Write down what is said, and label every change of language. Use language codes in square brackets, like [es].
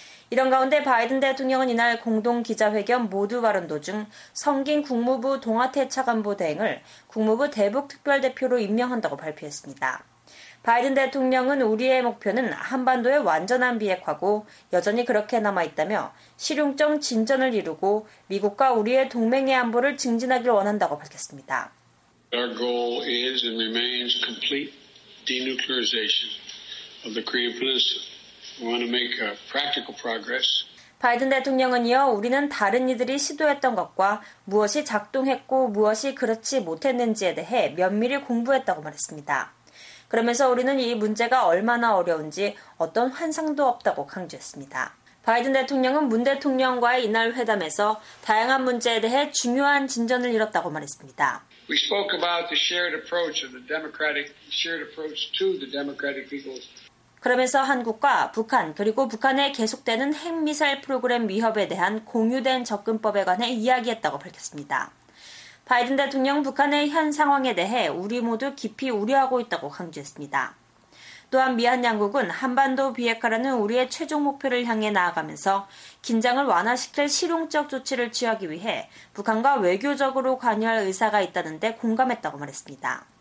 [ko] 이런 가운데 바이든 대통령은 이날 공동 기자회견 모두 발언 도중 성김 국무부 동아태 차관보 대행을 국무부 대북 특별대표로 임명한다고 발표했습니다. 바이든 대통령은 우리의 목표는 한반도의 완전한 비핵화고 여전히 그렇게 남아있다며 실용적 진전을 이루고 미국과 우리의 동맹의 안보를 증진하길 원한다고 밝혔습니다. [en] Our goal is and remains complete denuclearization of the Korean Peninsula. We want to make a practical progress. [ko] 바이든 대통령은 이어 우리는 다른 이들이 시도했던 것과 무엇이 작동했고 무엇이 그렇지 못했는지에 대해 면밀히 공부했다고 말했습니다. 그러면서 우리는 이 문제가 얼마나 어려운지 어떤 환상도 없다고 강조했습니다. 바이든 대통령은 문 대통령과의 이날 회담에서 다양한 문제에 대해 중요한 진전을 이뤘다고 말했습니다. [en] We spoke about the shared approach of the democratic shared approach to the democratic peoples. [ko] 그러면서 한국과 북한 그리고 북한의 계속되는 핵미사일 프로그램 위협에 대한 공유된 접근법에 관해 이야기했다고 밝혔습니다. 바이든 대통령 북한의 현 상황에 대해 우리 모두 깊이 우려하고 있다고 강조했습니다. 또한 미한 양국은 한반도 비핵화라는 우리의 최종 목표를 향해 나아가면서 긴장을 완화시킬 실용적 조치를 취하기 위해 북한과 외교적으로 관여할 의사가 있다는 데 공감했다고 말했습니다.